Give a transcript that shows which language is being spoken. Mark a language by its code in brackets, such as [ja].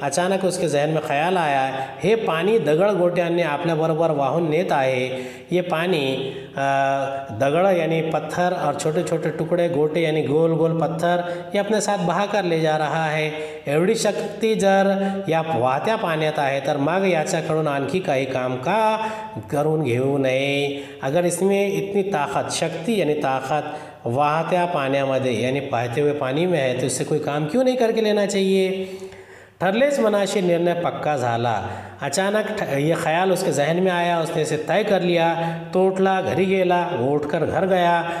[hi] अचानक उसके जहन में ख्याल आया, [mr] हे पानी दगड गोट्यांनी आपल्या बरोबर वाहून नेत आहे। [hi] ये पानी दगड यानी पत्थर और छोटे छोटे टुकड़े, गोटे यानी गोल गोल पत्थर, ये अपने साथ बहा कर ले जा रहा है। [mr] एवढी शक्ती जर या वाहत्या पाण्यात आहे तर मग याच्याकडून आणखी काही काम का करून घेऊ नये। [hi] अगर इसमें इतनी ताकत शक्ती यानी ताकत [mr] वाहत्या पाण्यामध्ये [hi] यानी पाहते हुए पानी में है तो इससे कोई काम क्यों नहीं करके लेना चाहिए। [mr] ठरलेच मनाशी निर्णय पक्का झाला। [hi] अचानक ये ख्याल उसके जहन में आया, उसने इसे तय कर लिया। [mr] तो उठला, घरी गेला, [hi] उठकर घर गया।